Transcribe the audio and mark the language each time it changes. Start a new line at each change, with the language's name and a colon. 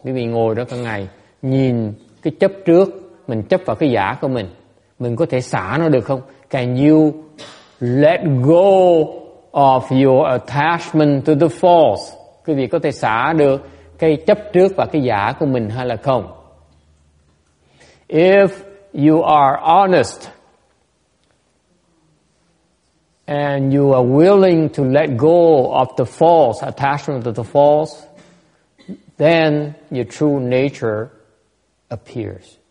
Vietnamese: Quý vị ngồi đó cả ngày, nhìn cái chấp trước, mình chấp vào cái giả của mình. Mình có thể xả nó được không?
English: Can you let go of your attachment to the false?
Vietnamese: Quý vị có thể xả được cái chấp trước và cái giả của mình hay là không?
English: If you are honest and you are willing to let go of the false attachment to the false, then your true nature appears.